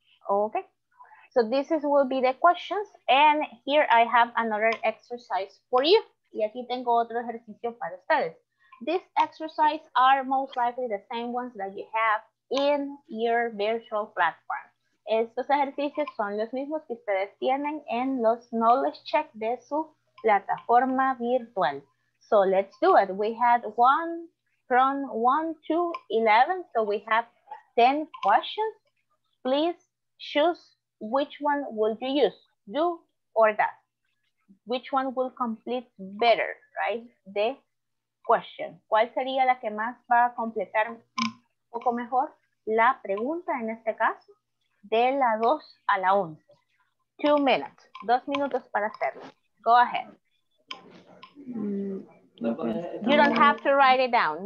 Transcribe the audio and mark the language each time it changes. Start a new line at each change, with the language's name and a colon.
English: Okay, so this is, will be the questions, and here I have another exercise for you.
Spanish: Y aquí tengo otro ejercicio para ustedes.
English: This exercise are most likely the same ones that you have in your virtual platform.
Spanish: Estos ejercicios son los mismos que ustedes tienen en los knowledge check de su plataforma virtual.
English: So let's do it. We had one from 1 to 11, so we have 10 questions. Please choose which one will you use, do or that. Which one will complete better, right? The question.
Spanish: ¿Cuál sería la que más va a completar un poco mejor la pregunta en este caso? De la 2 a la 11.
English: 2 minutes.
Spanish: 2 minutos para hacerlo.
English: Go ahead. You don't have to write it down.